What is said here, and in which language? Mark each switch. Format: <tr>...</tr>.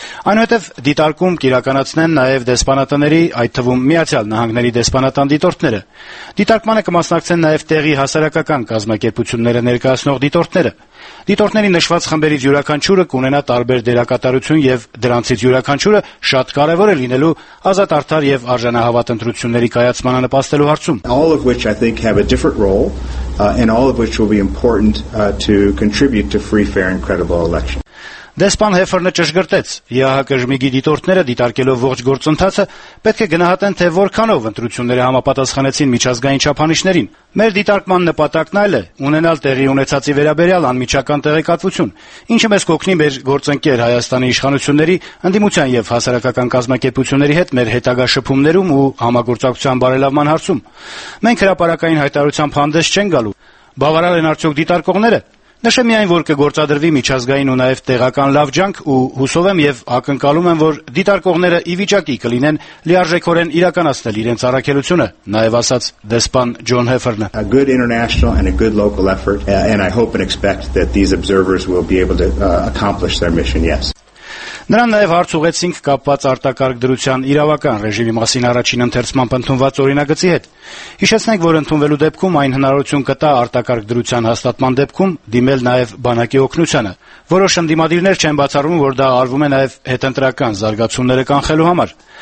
<hy>Այնուհետև դիտարկում կիրականացնեն նաև դեսպանատների, այդ թվում Միացյալ Նահանգների դեսպանատան դիտորդները։ Դիտարկմանը կմասնակցեն նաև տեղի հասարակական կազմակերպությունները ներկայացնող դիտորդները։ Դիտորդների նշված խմբերից յուրաքանչյուրը կունենա տարբեր դերակատարություն և դրանցից յուրաքանչյուրը շատ կարևոր է լինելու ազատ արդար և արժանահավատ ընտրությունների կայացմանը նպաստելու հարցում։</hy> <en>All of which I think have a different role, and all of which will be important to contribute to free, fair and credible elections.</en> <hy>Դեսպան Հեֆերնը ճշգրտեց. ԵԱՀԿ ժմիկի դիտորդները, դիտարկելով ողջ գործընթացը, պետք է գնահատեն, թե որքանով ընտրությունները համապատասխանեցին միջազգային չափանիշներին։ Մեր դիտարկման նպատակն այլ է՝ ունենալ տեղի ունեցածի վերաբերյալ անմիջական տեղեկատվություն, ինչը մեզ կօգնի մեր գործընկեր Հայաստանի իշխանությունների, ընդդիմության և հասարակական կազմակերպությունների հետ մեր հետագա շփումներում ու համագործակցության բարելավման հարցում։ Մենք հրապարակային հայտարարությամբ հանդես չեն գալու։ Բավարար են արդյոք դիտարկողները։ Նշեմ միայն, որ կգործադրվի միջազգային ու նաև տեղական լավ ջանք ու հուսով եմ և ակնկալում եմ, որ դիտարկողները ի վիճակի կլինեն լիարժեքորեն իրականացնել իրենց առաքելությունը, նաև ասաց դեսպան Ջոն Հեֆերնը.</hy> <en>A good international and a good local effort, and I hope and expect that these observers will be able to accomplish their mission, yes.</en> <hy>Նրան նաև հարց ուղեցինք կապված արտակարգ դրության իրավական ռեժիմի մասին առաջին ընթերցմամբ ընդունված օրինագծի հետ։ Հիշեցնենք, որ ընդունվելու դեպքում այն հնարավորություն կտա արտակարգ դրության հաստատման դեպքում դիմել նաև բանակի օգնությանը։ Որոշ ընդդիմադիրներ չեն բացառում, որ դա արվում է նաև հետընտրական զարգացումները կանխելու համար։</hy>